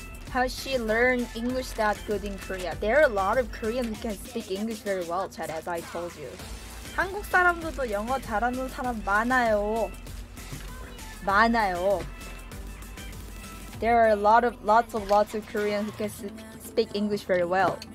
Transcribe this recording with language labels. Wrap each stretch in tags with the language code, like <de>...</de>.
<en>How she learned English that good in Korea. There are a lot of Koreans who can speak English very well, Chad, as I told you.</en> <ko>한국 사람들도 영어 잘하는 사람 많아요. 많아요.</ko> <en>There are a lot of, lots of Koreans who can speak English very well.</en>